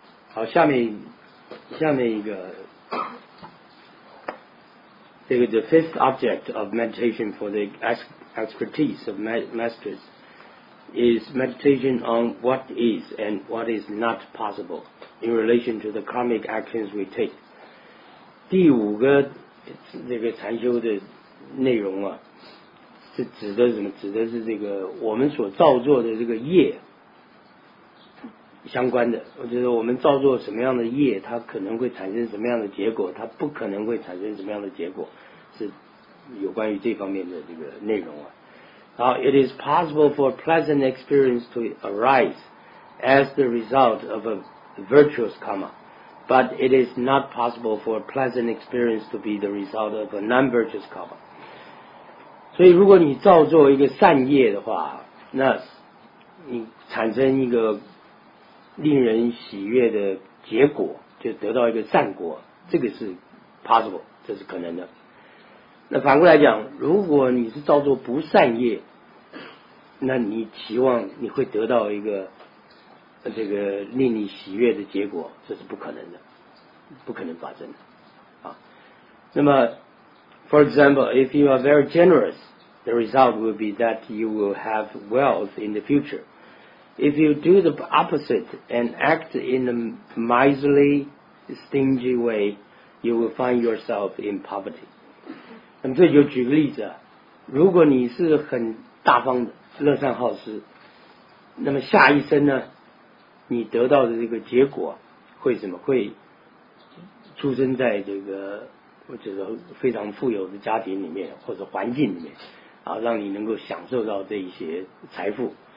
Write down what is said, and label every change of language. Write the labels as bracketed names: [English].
[English] 好，下面一个，这个 the fifth object of meditation for the expertise of masters is meditation on what is and what is not possible in relation to the karmic actions we take。 [Chinese] 第五个这个禅修的内容啊，是指的什么？指的是这个我们所造作的这个业。相关的，我觉得我们造作什么样的业，它可能会产生什么样的结果，它不可能会产生什么样的结果，是有关于这方面的这个内容啊。 [English] 好， It is possible for pleasant experience to arise as the result of a virtuous karma, but it is not possible for pleasant experience to be the result of a non-virtuous karma. [Chinese] 所以如果你造作一个善业的话，那你产生一个令人喜悦的结果，就得到一个善果，这个是 possible， 这是可能的。那反过来讲，如果你是造作不善业，那你期望你会得到一个这个令你喜悦的结果，这是不可能的，不可能发生的啊。 [English] 那么 for example, if you are very generous, the result will be that you will have wealth in the futureIf you do the opposite and act in a miserly, stingy way, you will find yourself in poverty. [Chinese] 那么这就举个例子啊，如果你是很大方的、乐善好施，那么下一生呢，你得到的这个结果会什么？会出生在这个我觉得非常富有的家庭里面或者环境里面，啊，让你能够享受到这一些财富。